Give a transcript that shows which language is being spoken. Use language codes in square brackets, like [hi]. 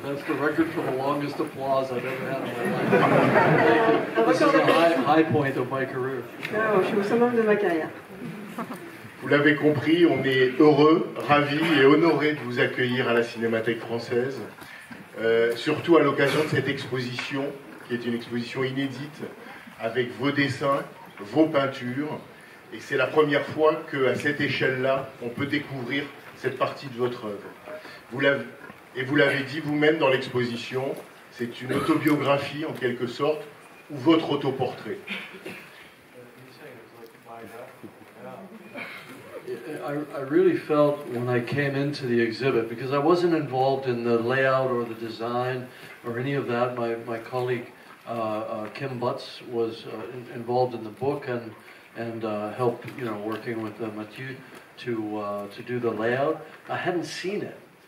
[en] That's the record for the longest applause I've ever had in my life. This is a high point of my career. [fr] Je suis au sommet de ma carrière. Vous l'avez compris, on est heureux, ravis et honorés de vous accueillir à la Cinémathèque française, surtout à l'occasion de cette exposition, qui est une exposition inédite, avec vos dessins, vos peintures. Et c'est la première fois qu'à cette échelle-là, on peut découvrir cette partie de votre œuvre. Vous l'avez dit vous-même dans l'exposition, c'est une autobiographie en quelque sorte, ou votre autoportrait. [en] I really felt when I came into the exhibit, because I wasn't involved in the layout or the design or any of that. My colleague Kim Butts was involved in the book and helped, you know, working with Matthieu to do the layout. I hadn't seen it,